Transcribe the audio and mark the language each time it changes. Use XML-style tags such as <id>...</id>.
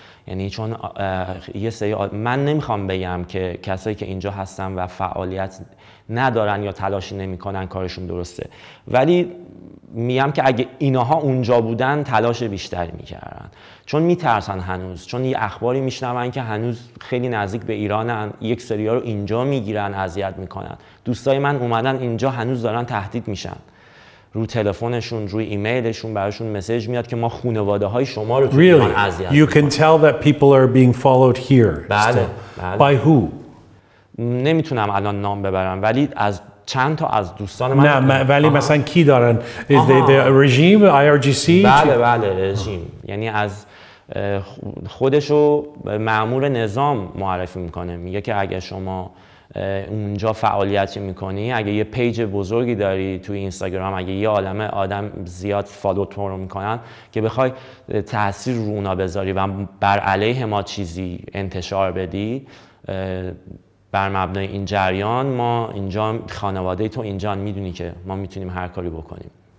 <fa>یعنی چون یه سری من نمیخوام بگم که کسایی که اینجا هستن و فعالیت ندارن یا تلاشی نمیکنن کارشون درسته ولی میگم که اگه ایناها اونجا بودن تلاش بیشتر میکردن چون میترسن هنوز چون یه اخباری میشنون که هنوز خیلی نزدیک به ایرانن یک سری ها رو اینجا میگیرن اذیت میکنن دوستای من اومدن اینجا هنوز دارن تهدید میشن روی تلفنشون روی ایمیلشون براشون مسیج میاد که ما خانواده های شما رو توی</fa> <en>really?</en> <fa>ایران اذیت میکنن</fa> <en>You can tell that people are being followed here</en> <fa>بله.</fa> <en>By who?</en> <fa>نمیتونم الان نام ببرم ولی از چند تا از دوستان من نه ولی مثلا کی دارن</fa> <en>the regime IRGC</en> <fa>بله بله رژیم یعنی از خودشو مأمور نظام معرفی میکنه میگه که اگه شما اونجا فعالیتی میکنی اگه یه پیج بزرگی داری توی اینستاگرام اگه یه عالمه آدم زیاد فالو تو رو میکنن که بخوای تأثیر رو اونا بذاری و بر علیه ما چیزی انتشار بدی بر مبنای این جریان ما اینجا خانواده تو اینجا میدونی که ما میتونیم هر کاری بکنیم</fa>